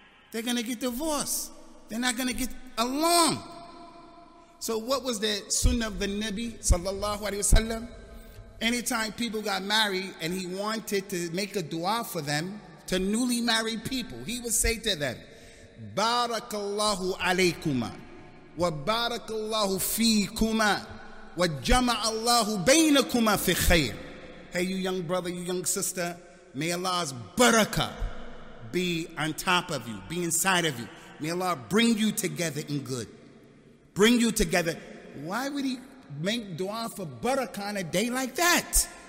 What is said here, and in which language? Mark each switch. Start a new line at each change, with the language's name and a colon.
English: They're going to get divorced. They're not going to get along. So what was the sunnah of the Nabi, sallallahu alayhi wa sallam? Anytime people got married and he wanted to make a dua for them, to newly married people, he would say to them, Barakallahu alaykuma.
Arabic: وبارك الله فيكما وجمع الله بينكما في خير.
English: Hey, you young brother, you young sister, may Allah's barakah be on top of you, be inside of you. May Allah bring you together in good. Bring you together. Why would he make dua for barakah on a day like that?